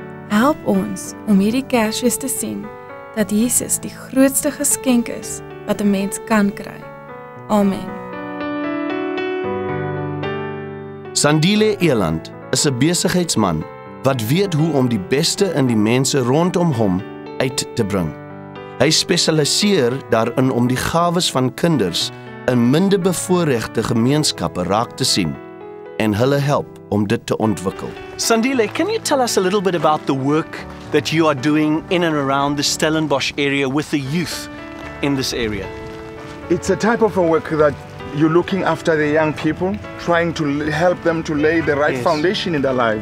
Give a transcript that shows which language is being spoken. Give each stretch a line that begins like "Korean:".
Afrikaans: Help ons om hierdie Kersfees te sien dat Jesus die grootste geskenk is wat een mens kan kry. Amen. Sandile Eland is een besigheidsman wat weet hoe om die beste in die mense rondom hom uit te bring. Hy spesialiseer daarin om die gawes van kinders in minder bevoorregte gemeenskappe raak te sien en hulle help om dit te ontwikkel.
English: Sandile, can you tell us a little bit about the work that you are doing in and around the Stellenbosch area with the youth in this area? It's a type of a work that you're looking after the young people, trying to help them to lay the right foundation in their lives.